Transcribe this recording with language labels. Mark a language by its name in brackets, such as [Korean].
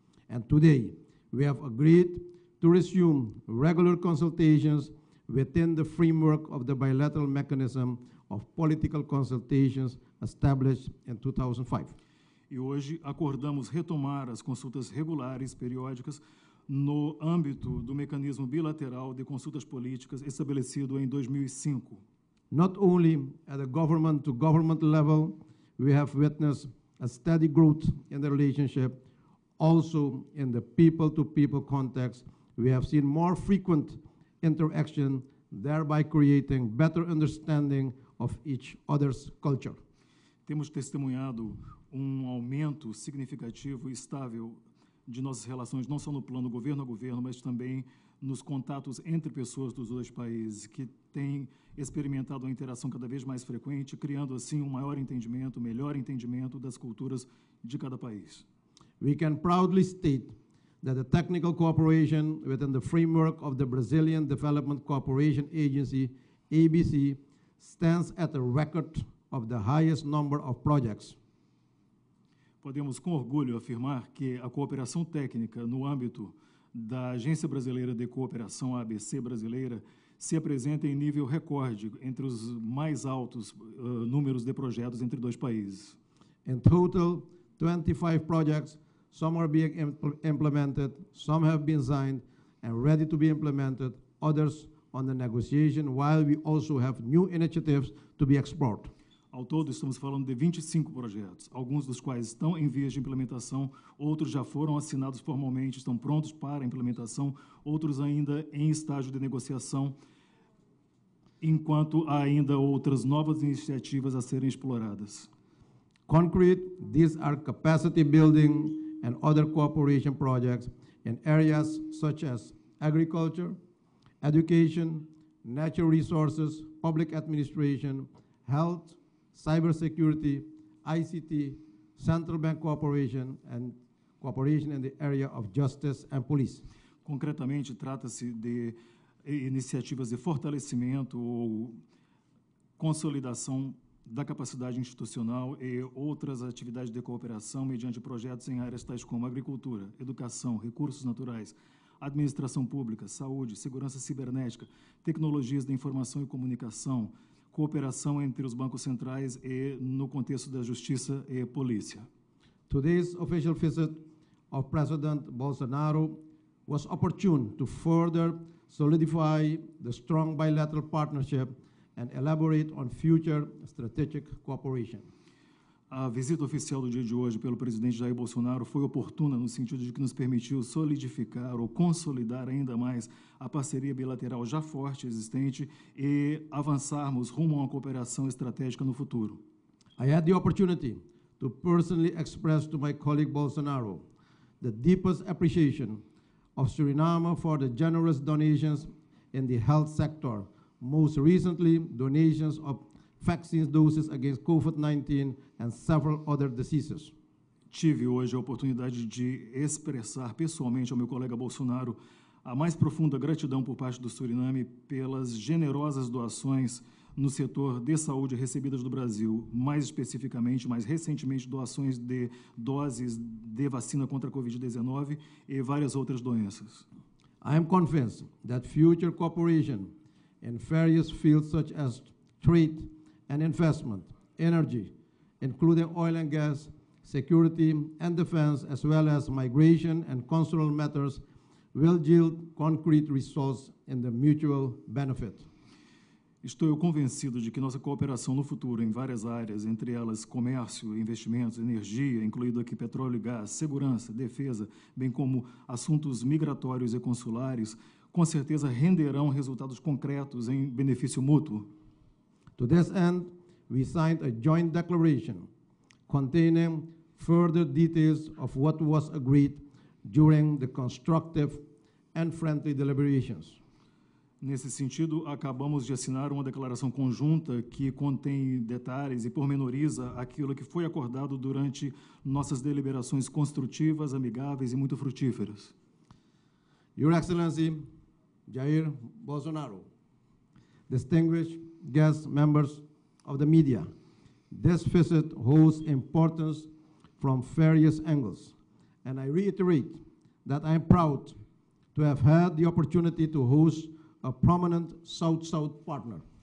[English] And today, we have agreed to resume regular consultations within the framework of the bilateral mechanism of political consultations established in 2005. [Portuguese] E hoje acordamos retomar as consultas regulares periódicas no âmbito do mecanismo bilateral de consultas políticas estabelecido em 2005. [English] Not only at a government to government level, we have witnessed a steady growth in the relationship Also, in the people-to-people context, we have seen more frequent interaction, thereby creating better understanding of each other's culture. [Portuguese] Temos testemunhado um aumento significativo e estável de nossas relações, não só no plano governo a governo, mas também nos contatos entre pessoas dos dois países, que têm experimentado uma interação cada vez mais frequente, criando assim um maior entendimento, melhor entendimento das culturas de cada país. [English] We can proudly state that the technical cooperation within the framework of the Brazilian Development Cooperation Agency, ABC, stands at a record of the highest number of projects. [Portuguese] Podemos com orgulho afirmar que a cooperação técnica no âmbito da Agência Brasileira de Cooperação, ABC Brasileira, se apresenta em nível recorde entre os mais altos números de projetos entre dois países. [English] In total, 25 projects, some are being implemented, some have been signed and ready to be implemented, others on the negotiation, while we also have new initiatives to be explored. [Portuguese] Ao todo, estamos falando de 25 projetos, alguns dos quais estão em vias de implementação, outros já foram assinados formalmente, estão prontos para a implementação, outros ainda em estágio de negociação, enquanto há ainda outras novas iniciativas a serem exploradas. [English] Concrete, these are capacity building and other cooperation projects in areas such as agriculture, education, natural resources, public administration, health, cybersecurity, ICT, central bank cooperation, and cooperation in the area of justice and police. [Portuguese] Concretamente, trata-se de iniciativas de fortalecimento ou consolidação da capacidade institucional e outras atividades de cooperação mediante projetos em áreas tais como agricultura, educação, recursos naturais, administração pública, saúde, segurança cibernética, tecnologias de informação e comunicação, cooperação entre os bancos centrais e no contexto da justiça e polícia. [English] Today's official visit of President Bolsonaro was opportune to further solidify the strong bilateral partnership and elaborate on future strategic cooperation. [Portuguese] A visita oficial do dia de hoje pelo presidente Jair Bolsonaro foi oportuna no sentido de que nos permitiu solidificar ou consolidar ainda mais a parceria bilateral já forte existente e avançarmos rumo a uma cooperação estratégica no futuro. [English] I had the opportunity to personally express to my colleague Bolsonaro the deepest appreciation of Suriname for the generous donations in the health sector. Most recently, donations of vaccine doses against COVID-19 and several other diseases. [Portuguese] Tive hoje a oportunidade de expressar pessoalmente ao meu colega Bolsonaro a mais profunda gratidão por parte do Suriname pelas generosas doações no setor de saúde recebidas do Brasil, mais especificamente, mais recentemente, doações de doses de vacina contra a COVID-19 e várias outras doenças. [English] I am convinced that future cooperation in various fields such as trade and investment, energy, including oil and gas, security and defense, as well as migration and consular matters, will yield concrete results in the mutual benefit. [Portuguese] Estou eu convencido de que nossa cooperação no futuro em várias áreas, entre elas comércio, investimentos, energia, incluído aqui petróleo e gás, segurança, defesa, bem como assuntos migratórios e consulares, com certeza renderão resultados concretos em benefício mútuo. [English] To this end, we signed a joint declaration containing further details of what was agreed during the constructive and friendly deliberations. [Portuguese] Nesse sentido, acabamos de assinar uma declaração conjunta que contém detalhes e pormenoriza aquilo que foi acordado durante nossas deliberações construtivas, amigáveis e muito frutíferas. [English] Your Excellency Jair Bolsonaro, distinguished guests, members of the media. This visit holds importance from various angles, and I reiterate that I am proud to have had the opportunity to host a prominent South-South partner.